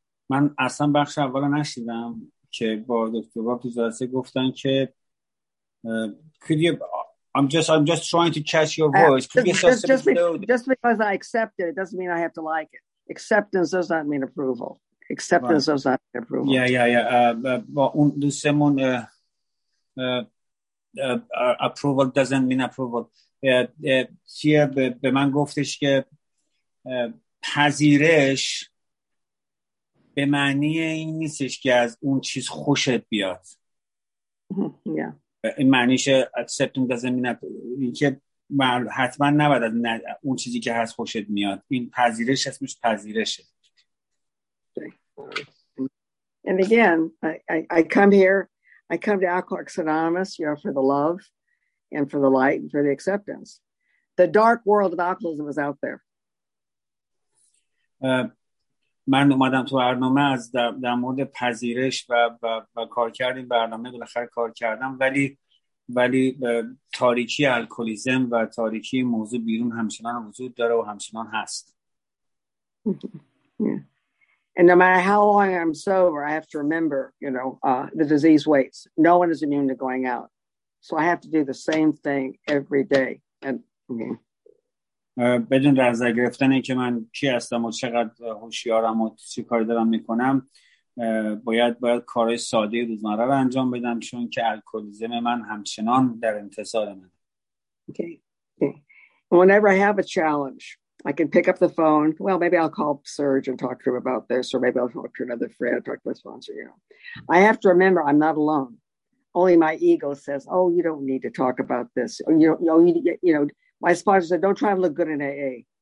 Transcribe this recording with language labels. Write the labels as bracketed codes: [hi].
[fa] من اصلا بخش اول نشیدم که با دکتر باب جلسه گفتن که [en] could you I'm just trying to catch your voice. Just because I accept it doesn't mean I have to like it. Acceptance does not mean approval. Acceptance does not mean approval. Yeah. [fa] اون دوستمون [en] approval doesn't mean approval. [fa] چیه به من گفتش که پذیرش به معنی این نیستش که از اون چیز خوشت بیاد. [en] Yeah. [fa] این معنیش [en] accepting doesn't mean approval. [fa] این که من حتما نباید از اون چیزی که هست خوشت میاد. این پذیرش اسمش پذیرشه. [en] And again, I come to Alcoholics Anonymous, you know, for the love and for the light and for the acceptance. The dark world of alcoholism is out there. [fa] من اومدم تو برنامه از در مورد پذیرش و کار کردیم برنامه بالاخره کار کردم ولی تاریکی الکلیزم و تاریکی موضوع بیرون همچنان وجود داره و همچنان هست. [en] And no matter how long I'm sober, I have to remember, you know, the disease waits. No one is immune to going out. So I have to do the same thing every day. [fa] بدون رنزه گرفتن این که من کی هستم و چقدر هوشیارم و چی کاری دارم میکنم باید کارهای ساده روزمره رو انجام بدم چون که الکلیزم من همچنان در انتظار من. [en] Okay. Whenever I have a challenge, I can pick up the phone. Well, maybe I'll call Serge and talk to him about this, or maybe I'll talk to another friend, talk to my sponsor. You know, I have to remember I'm not alone. Only my ego says, "Oh, you don't need to talk about this." You know, my sponsor said, "Don't try to look good in AA.